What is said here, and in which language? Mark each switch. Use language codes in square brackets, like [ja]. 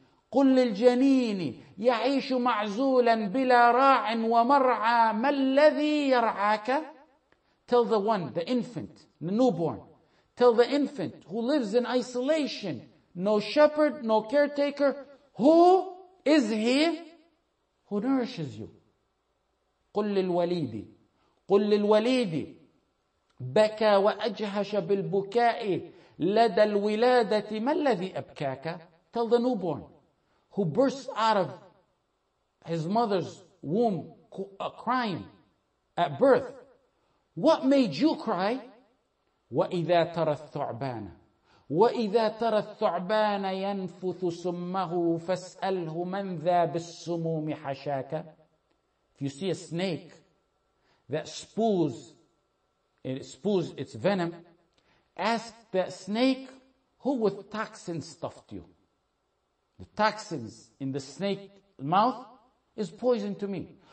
[ar] قل للجنين يعيش معزولا بلا راع ومرعى ما الذي يرعاك. [en] Tell the one, the infant, the newborn, tell the infant who lives in isolation, no shepherd, no caretaker, who is he who nourishes you? [ar] قل للوليد قل للوليد بكى وأجهش بالبكاء لدى الولادة ما الذي أبكاك. [en] Tell the newborn who bursts out of his mother's womb crying at birth, what made you cry? [ar] وإذا ترى الثعبان وإذا ترى الثعبان ينفث سمه فاسأله من ذا بالسموم حشاك. [en] If you see a snake that spews its venom, ask that snake, who with toxins stuffed you? The toxins in the snake mouth is poison to me.